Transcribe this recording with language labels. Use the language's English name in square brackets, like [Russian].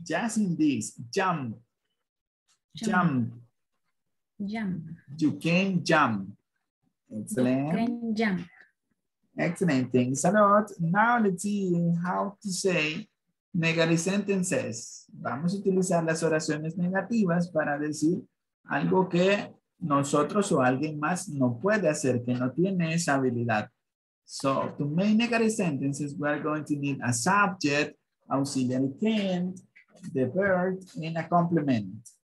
[English] Just in this, jump. You can jump. Excellent. You can jump. Excellent. Thanks a lot. Now let's see how to say negative sentences. [Spanish] Vamos a utilizar las oraciones negativas para decir algo que nosotros o alguien más no puede hacer, que no tiene esa habilidad. [English] So, to make negative sentences, we are going to need a subject, auxiliary can't, the verb, and a complement.